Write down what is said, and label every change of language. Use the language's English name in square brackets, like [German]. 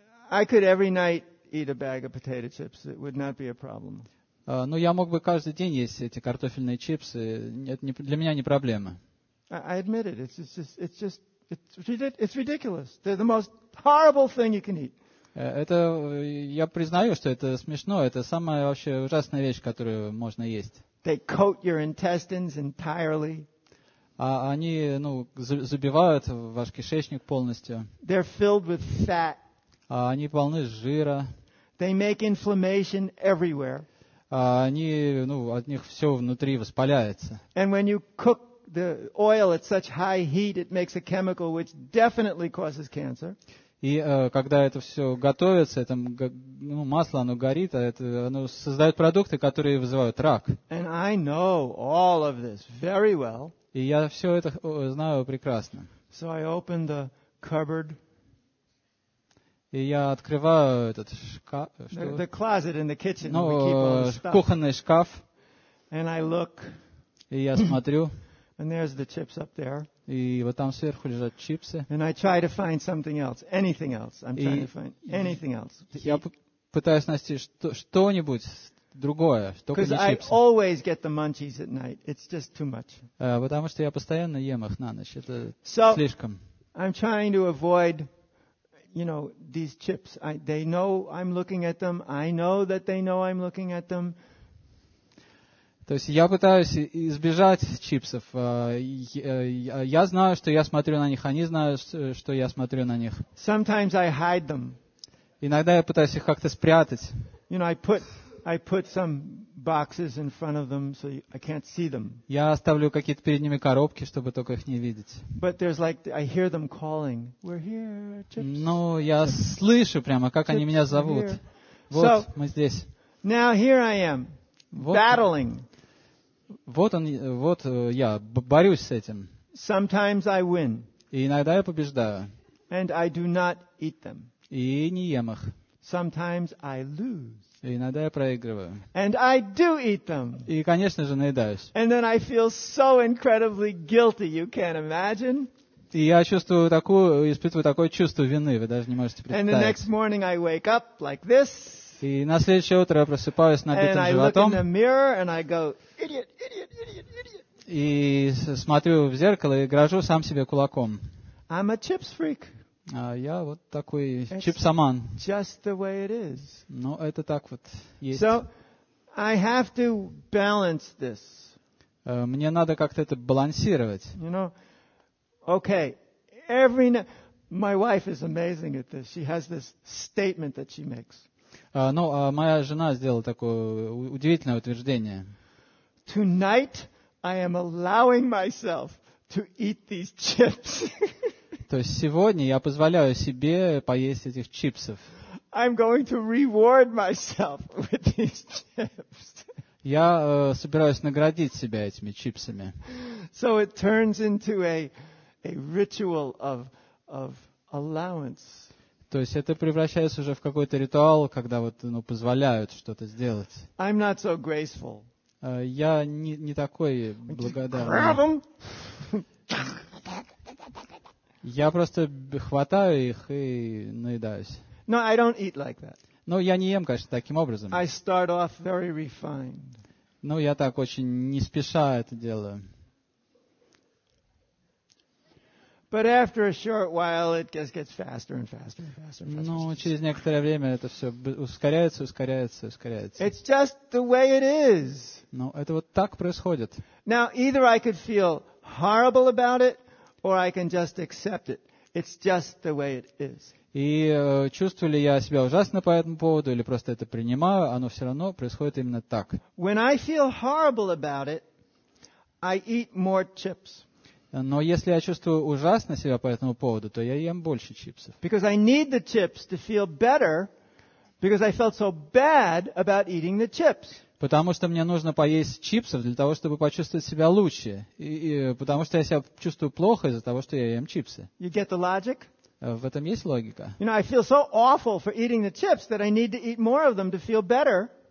[English] I could every night eat a bag of potato chips. It would not be a problem. [Russian] Ну, я мог бы каждый день есть эти картофельные чипсы. Это не, для меня не проблема. [English] I admit it. It's just... It's ridiculous. They're the most horrible thing you can eat. [Russian] Это я признаю, что это смешно. Это самая вообще ужасная вещь, которую можно есть. [English] They coat your intestines entirely. [Russian] Они, ну, забивают ваш кишечник полностью. [English] They're filled with fat. [Russian] Они полны жира. [English] They make inflammation everywhere. [Russian] Они, ну, от них все внутри воспаляется. [English] And when you cook the oil at such high heat, it makes a chemical which definitely causes cancer. [Russian] И когда это все готовится, это, ну, масло, оно горит, а это, оно создает продукты, которые вызывают рак. [English] And I know all of this very well. [Russian] И я все это знаю прекрасно. [English] So I open the cupboard. [Russian] И я открываю этот шкаф. [English] The closet in the kitchen. [Russian] Ну, [English] we keep all the stuff. [Russian] Кухонный шкаф. [English] And I look. [Russian] И я смотрю. [English] And there's the chips up there. [Russian] И вот там сверху лежат чипсы. [English] And I try to find something else, anything else. I'm trying to find anything else. [Russian] Я пытаюсь найти что-нибудь, другое, только не чипсы. [English] I always get the munchies at night. It's just too much. [Russian] Потому что я постоянно ем их на ночь. Это слишком. [English] I'm trying to avoid, you know, these chips. They know I'm looking at them. I know that they know I'm looking at them. [Russian] То есть я пытаюсь избежать чипсов. Я знаю, что я смотрю на них. Они знают, что я смотрю на них. [English] Sometimes I hide them. [Russian] Иногда я пытаюсь их как-то спрятать. [English] You know, I put some boxes in front of them, so I can't see them. [Russian] Я оставлю какие-то перед ними коробки, чтобы только их не видеть. [English] But there's like I hear them calling. We're here, chips. [Russian] Ну, я слышу прямо, как они меня зовут. Вот мы здесь. [English] Now here I am. Battling. [Russian] Вот я борюсь с этим. [English] Sometimes I win. [Russian] И иногда я побеждаю. [English] And I do not eat them. [Russian] И не ем их. [English] Sometimes I lose. [Russian] И иногда я проигрываю. [English] And I do eat them. [Russian] И, конечно же, наедаюсь. [English] And then I feel so incredibly guilty, you can't imagine. [Russian] И я чувствую испытываю такое чувство вины, вы даже не можете представить. [English] And the next morning I wake up like this. [Russian] И на следующее утро я просыпаюсь набитым [English] and [Russian] животом. [English] I look in the mirror and I go, idiot, idiot, idiot, idiot. [Russian] И смотрю в зеркало и грожу сам себе кулаком. [English] I'm a chips freak. [Russian] А я вот такой чипсоман. [English] Just the way it is. [Russian] Ну, это так вот есть. [English] So, I have to balance this. [Russian] Мне надо как-то это балансировать. [English] You know, okay, every night... My wife is amazing at this. She has this statement that she makes. [Russian] Моя жена сделала такое удивительное утверждение. [English] Tonight, I am allowing myself to eat these chips. [Russian] То есть сегодня я позволяю себе поесть этих чипсов. [English] I'm going to reward myself with these chips. [Russian] Я собираюсь наградить себя этими чипсами. [English] So it turns into a ritual of allowance. [Russian] То есть это превращается уже в какой-то ритуал, когда вот позволяют что-то сделать. [English] I'm not so graceful. [Russian] Я не такой благодарный. [English] Grab them. [Russian] Я просто хватаю их и наедаюсь. [English] No, I don't eat like that. [Russian] Ну, я не ем, конечно, таким образом. [English] I start off very refined. [Russian] Ну, я так очень не спеша это делаю. [English] But after a short while, it just gets faster and faster and faster. [Russian] Ну, через некоторое время это все ускоряется, ускоряется, ускоряется. [English] It's just the way it is. [Russian] Ну, это вот так происходит. [English] Now, either I could feel horrible about it, or I can just accept it. It's just the way it is. [Russian] И чувствую ли я себя ужасно по этому поводу, или просто это принимаю, оно все равно происходит именно так. [English] When I feel horrible about it, I eat more chips. [Russian] Но если я чувствую ужасно себя по этому поводу, то я ем больше чипсов. [English] Because I need the chips to feel better, because I felt so bad about eating the chips. [Russian] Потому что мне нужно поесть чипсов для того, чтобы почувствовать себя лучше. И потому что я себя чувствую плохо из-за того, что я ем чипсы. [English] You get the logic? [Russian] В этом есть логика. [English] You know, I feel so awful for eating the chips that I need to eat more of them to feel better.